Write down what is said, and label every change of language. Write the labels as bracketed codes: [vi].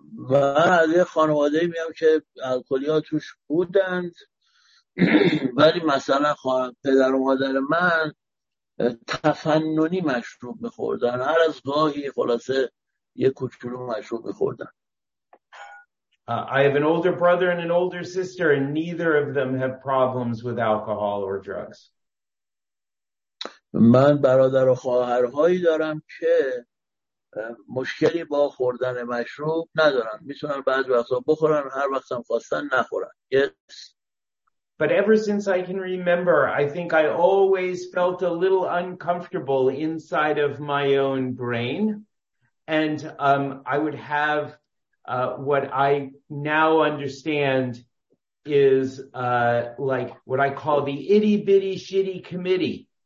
[fa] من از یه خانواده میام که الکلی ها توش بودند ولی مثلا پدر و مادر من تفننی مشروب میخوردن، هر از گاهی خلاصه یه کوچولو مشروب میخوردن. [en] I have an older brother and an older sister and neither of them have problems with alcohol or drugs. [fa] من برادر و خواهرهایی دارم که مشکلی با خوردن مشروب ندارن، میتونن بعض وقتا بخورن، هر وقت هم خواستن نخورن. [en] Yes. But ever since I can remember, I think I always felt a little uncomfortable inside of my own brain, and I would have what I now understand is like what I call the itty bitty shitty committee.